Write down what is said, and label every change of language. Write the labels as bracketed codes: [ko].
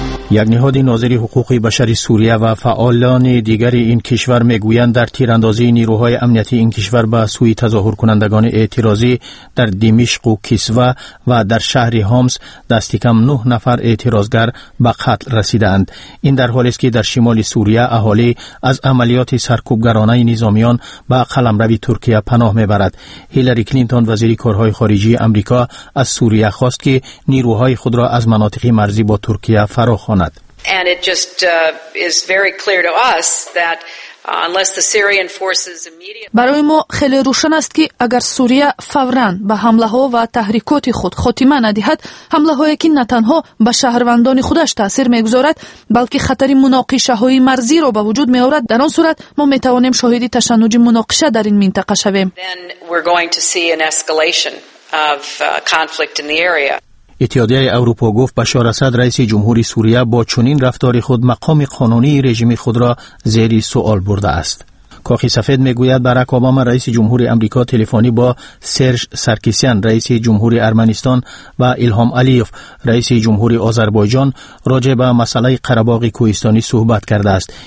[fa] یک نهاد ناظری حقوق بشر سوریه و فعالان دیگر این کشور میگویند در تیراندازی نیروهای امنیتی این کشور به سوی تظاهرکنندگان اعتراضی در دمشق و کسوا و در شهر هومس دست کم 9 نفر اعتراضگر به قتل رسیدند. این در حالی است که در شمال سوریه اهالی از عملیات سرکوبگرانه نظامیان به قلمرو ترکیه پناه میبرد. هیلاری کلینتون وزیر کارهای خارجی آمریکا از سوریه خواست که نیروهای خود را از مناطق مرزی با ترکیه فراخواند. [en] And it just is very clear to us that unless the Syrian forces immediately [fa] برای ما خیلی روشن است که اگر سوریه فوراً به حمله‌ها و تحریکات خود خاتمه ندهد، حمله‌هایی که نه تنها به شهروندان خودش تأثیر می‌گذارد، بلکه خطر مناقشه‌های مرزی را به وجود می‌آورد، در آن صورت ما می‌توانیم شاهد تشنج مناقشه در این منطقه شویم. [en] Then we're going to see an escalation of conflict in the area. [fa] اتحادیه اروپا گفت بشار اسد رئیس جمهوری سوریه با چنین رفتاری خود مقام قانونی رژیم خود را زیر سوال برده است. کاخ سفید میگوید باراک اوباما رئیس جمهوری آمریکا تلفنی با سرژ سرکیسیان رئیس جمهوری ارمنستان و الهام علیف رئیس جمهوری آذربایجان راجع به مسئله قره‌باغ کوهستانی صحبت کرده است.